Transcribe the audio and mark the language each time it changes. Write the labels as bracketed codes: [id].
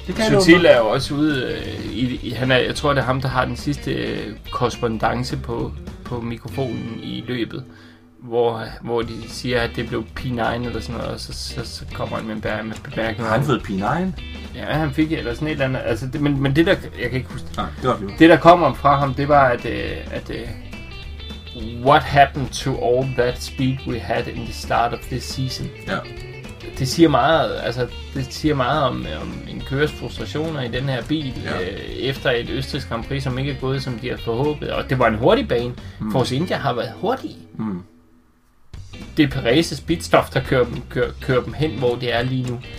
[da] Sutil er jo også ude, han er, jeg tror det er ham, der har den sidste korrespondance på mikrofonen i løbet, hvor de siger, at det blev P9 eller sådan noget, og så kommer han med en bemærkning. Han fik P9? Ja, han fik eller sådan et eller andet, altså, det, men det der, jeg kan ikke huske det. Nej, det var det der kommer fra ham, det var, at [en] what happened to all that speed we had in the start of this season? [da] Ja. Det siger meget, altså det siger meget om en køres frustrationer i den her bil, ja. Efter et østrigsk Grand Prix, som ikke er gået, som de har forhåbet. Og det var en hurtig bane. Mm. Force India har været hurtig. Mm. Det er Perez' pitstop, der kører dem hen, hvor det er lige nu.